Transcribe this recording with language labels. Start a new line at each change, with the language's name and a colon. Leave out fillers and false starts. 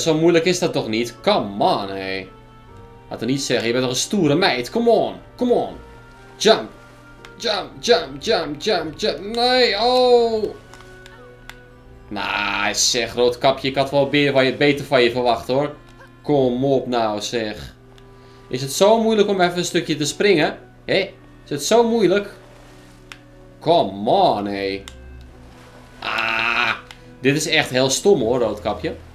Dutch: Zo moeilijk is dat toch niet?
English: Come on,
Dutch: hé. Laat het niet zeggen. Je bent toch een stoere meid?
English: Come on. Come on. Jump. Jump, jump, jump, jump, jump.
Dutch: Nee, oh. Nah, zeg, Roodkapje. Ik had wel beter van je verwacht, hoor. Kom op nou, zeg. Is het zo moeilijk om even een stukje te springen? Hé? Is het zo moeilijk?
English: Come on,
Dutch: hé. Ah, dit is echt heel stom, hoor, Roodkapje.